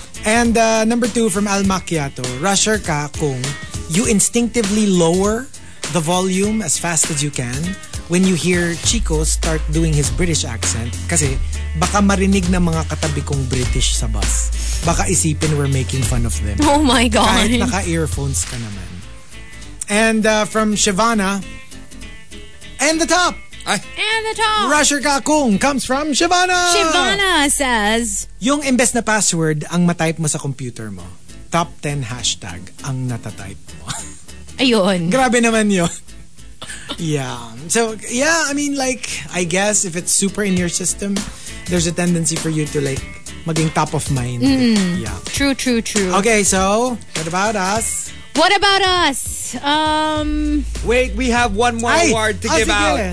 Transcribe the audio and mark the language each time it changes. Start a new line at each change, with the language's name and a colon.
English: And number 2 from Al Macchiato, rusher
Filipino: ka kung
English: you instinctively lower the volume as fast as you can when you hear Chico start doing his British accent
Filipino: kasi baka marinig ng mga katabi kong British sa bus. Baka isipin
English: we're making fun of them. Oh my God.
Filipino: Kahit naka-earphones ka naman.
English: And from Shivana, and the top! And the top! Rusher
Filipino: ka kung
English: comes from Shivana! Shivana says,
Filipino: yung imbes na password ang matype mo sa computer mo. Top 10 hashtag ang natatype mo. Ayun. Grabe naman yun.
English: Yeah. So, yeah, I mean, like, I guess if it's super in your system, there's a tendency for you to, like,
Filipino: maging
English: top of mind. Mm. Yeah. True, true, true. Okay, so, what about us? What about us? Wait, we have one more award to give out.